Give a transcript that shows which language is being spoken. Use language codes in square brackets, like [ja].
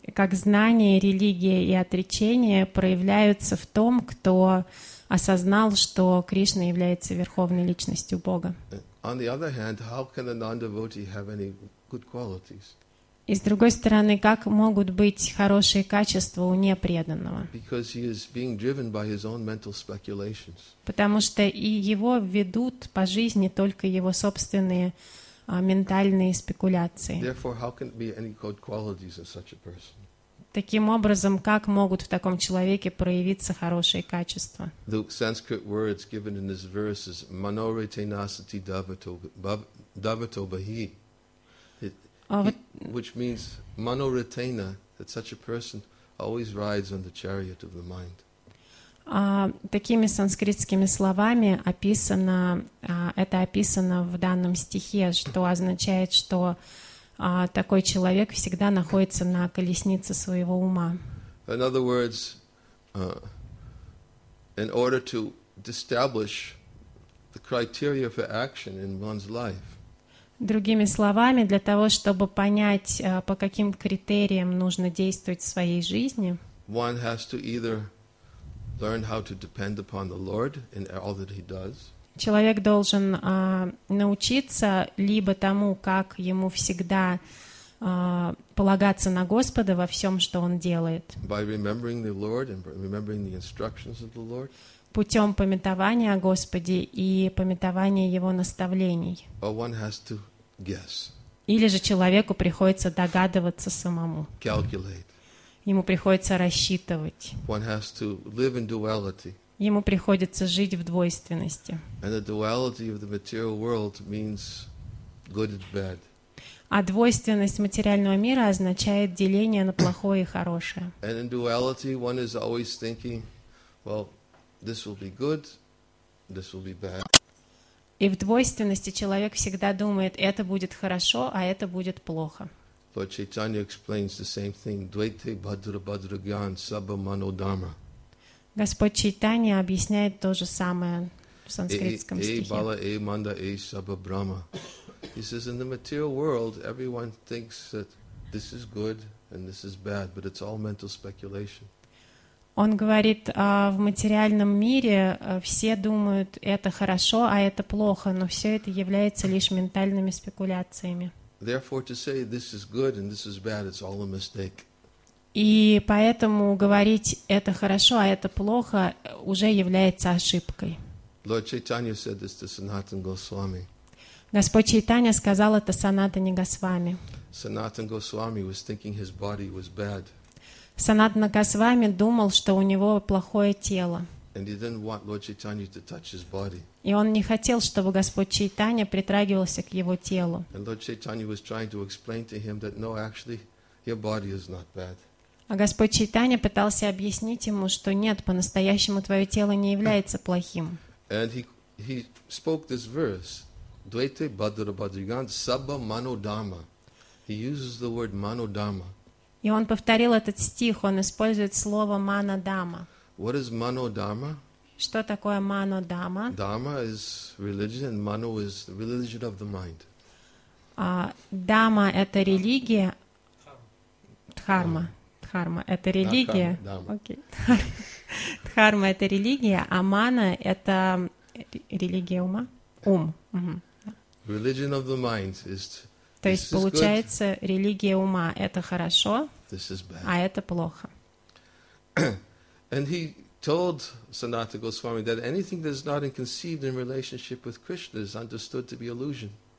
[ru] Как знание, религия и отречение проявляются в том, кто осознал, что Кришна является верховной личностью Бога. [en] On the other hand, how can a non-devotee have any good qualities? [ru] И с другой стороны, как могут быть хорошие качества у непреданного? [en] Because he is being driven by his own mental speculations. [ru] Потому что и его ведут по жизни только его собственные ментальные спекуляции. [en] Therefore, how can it be any good qualities of such a person? [ru] Таким образом, как могут в таком человеке проявиться хорошие качества? [en] The Sanskrit words given in this verse is [sa] manoritenasati davato bahi. [en] Which means manoritena, that such a person always rides on the chariot of the mind. [ru] Такими санскритскими словами описано, это описано в данном стихе, что означает, что такой человек всегда находится на колеснице своего ума. [en] In other words, in order to establish the criteria for action in one's life, [ru] другими словами, для того, чтобы понять, по каким критериям нужно действовать в своей жизни, [en] one has to either learn how to depend upon the Lord in all that he does. [ru] Человек должен научиться либо тому, как ему всегда полагаться на Господа во всем, что он делает. [en] By remembering the Lord and remembering the instructions of the Lord. [ru] Путем памятования о Господе и памятования Его наставлений. [en] Or one has to guess. [ru] Или же человеку приходится догадываться самому. [en] Calculate. [ru] Ему приходится рассчитывать. [en] One has to live in duality. [ru] Ему приходится жить в двойственности. [en] And the duality of the material world means good and bad. [ru] А двойственность материального мира означает деление на плохое и хорошее. [en] And in duality, one is always thinking, well, this will be good, this will be bad. [ru] И в двойственности человек всегда думает, это будет хорошо, а это будет плохо. [en] Lord Chaitanya explains the same thing. [bn] Dvaita Bhadra Bhadra Gyan Sabha Mano Dharma. [ru] Господь Чайтанья объясняет то же самое в санскритском стихе. [bn] Эй бала, эй манда, эй саба брама. [en] He says, in the material world, everyone thinks that this is good and this is bad, but it's all mental speculation. [ru] Он говорит, в материальном мире все думают, это хорошо, а это плохо, но все это является лишь ментальными спекуляциями. [en] Therefore, to say this is good and this is bad, it's all a mistake. [ru] И поэтому говорить «это хорошо, а это плохо» уже является ошибкой. [en] Lord Chaitanya said this to Sanatana Goswami. [ru] Господь Чайтанья сказал это Санатане Госвами. [en] Sanatana Goswami was thinking his body was bad. [ru] Санатана Госвами думал, что у него плохое тело. [en] And he didn't want Lord Chaitanya to touch his body. [ru] И он не хотел, чтобы Господь Чайтанья притрагивался к его телу. [en] And Lord Chaitanya was trying to explain to him that no, actually, your body is not bad. [ru] А Господь Чайтанья пытался объяснить ему, что нет, по-настоящему твое тело не является плохим. [en] And he spoke this verse, [bn] Dvaita Bhadra Bhadrigan Sabha Mano Dharma. [en] He uses the word Mano Dharma. [ru] И он повторил этот стих, он использует слово Mano Dharma. [en] What is Mano Dharma? [ru] Что такое Mano Dharma? [en] Dharma is religion and Mano is the religion of the mind. [ru] Dharma — это религия. Дхарма. Дхарма — это религия. Дхарма — это религия, а мана — это религия ума? Ум. [en] Religion of the mind is... [ru] То есть, получается, религия ума — это хорошо, [en] this is bad. [ru] А это плохо. [en] And he told Sanatana Goswami that anything that is not conceived in relationship with Krishna is understood to be illusion.